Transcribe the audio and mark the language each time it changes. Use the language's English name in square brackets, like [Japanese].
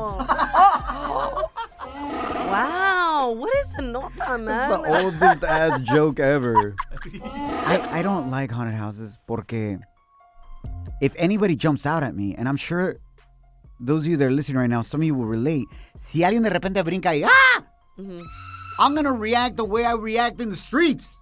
[English] Oh. Wow, what is the nota, man? It's the oldest ass joke ever. I don't like haunted houses [Spanish] porque [English] if anybody jumps out at me, and I'm sure those of you that are listening right now, some of you will relate. [Spanish] Si alguien de repente brinca y ah, mm-hmm. [English] I'm going to react the way I react in the streets.